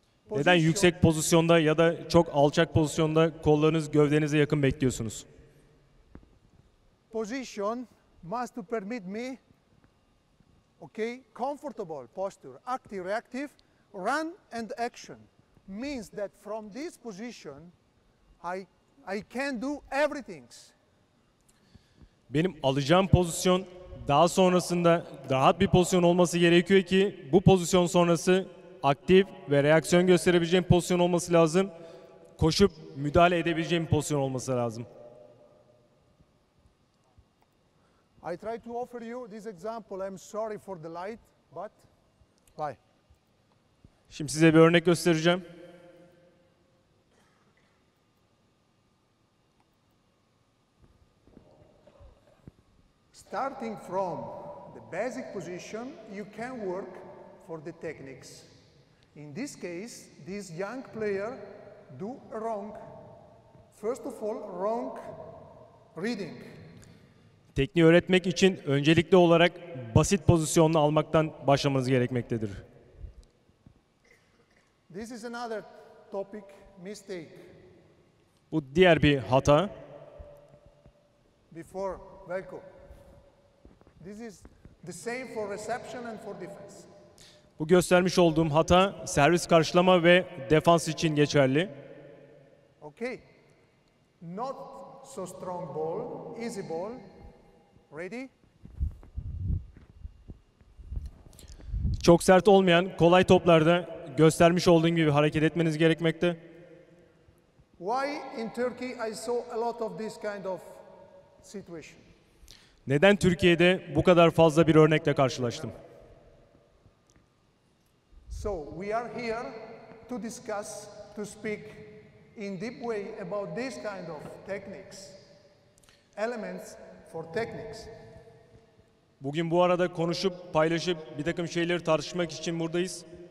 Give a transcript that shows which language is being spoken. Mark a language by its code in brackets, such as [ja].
[tr] Neden yüksek pozisyonda ya da çok alçak pozisyonda kollarınız gövdenize yakın bekliyorsunuz? [en] Position must permit me, okay, comfortable posture, active, reactive, run and action. Means that from this position, I can do everything. [tr] Benim alacağım pozisyon daha sonrasında rahat bir pozisyon olması gerekiyor ki bu pozisyon sonrası aktif ve reaksiyon gösterebileceğim pozisyon olması lazım. Koşup müdahale edebileceğim pozisyon olması lazım. [en] I try to offer you this example. I'm sorry for the light, but why? [tr] Şimdi size bir örnek göstereceğim. [en] Starting from the basic position, you can work for the techniques. In this case, this young player do wrong. First of all, wrong reading. [tr] Tekniği öğretmek için öncelikli olarak basit pozisyonunu almaktan başlamanız gerekmektedir. [en] This is another topic, mistake. [tr] Bu diğer bir hata. [en] Before Velko. This is the same for reception and for defense. [tr] Bu göstermiş olduğum hata servis karşılama ve defans için geçerli. [en] Okay. Not so strong ball, easy ball. Ready? [tr] Çok sert olmayan kolay toplarda göstermiş olduğum gibi hareket etmeniz gerekmekte. [en] Why in Turkey I saw a lot of this kind of situation? [tr] Neden Türkiye'de bu kadar fazla bir örnekle karşılaştım? [en] So we are here to discuss, to speak in deep way about this kind of techniques, elements for techniques. [tr] Bugün bu arada konuşup, paylaşıp bir takım şeyleri tartışmak için buradayız.